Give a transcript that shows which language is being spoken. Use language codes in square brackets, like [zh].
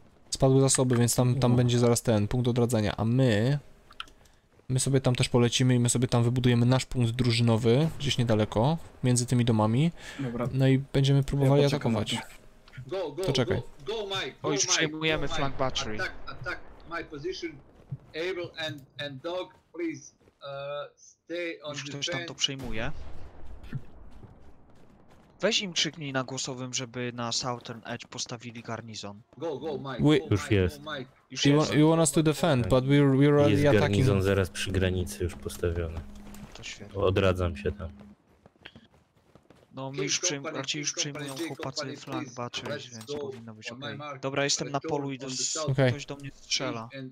[pl] Spadły zasoby, więc tam no. Będzie zaraz ten punkt odradzania, a my sobie tam też polecimy i my sobie tam wybudujemy nasz punkt drużynowy, gdzieś niedaleko, między tymi domami. Dobra. No i będziemy próbowali ja atakować. To czekaj. [en] Go Mike, [pl] bo już przejmujemy flank battery. [en] Attack my position, Abel and Dog, please stay on [pl] już [en] the [pl] ktoś tam to przejmuje. Weź im krzyknij na głosowym, żeby na Southern Edge postawili garnizon. [en] Go, Mike. [pl] Już jest. [en] You want us to defend, but we're already attacking. [pl] Jest garnizon zaraz przy granicy już postawiony. To świetnie. Odradzam się tam. No my już raczej już przejmują chłopacy flank battery, więc powinno być okej. Okay. Dobra, jestem na polu i ktoś do mnie strzela.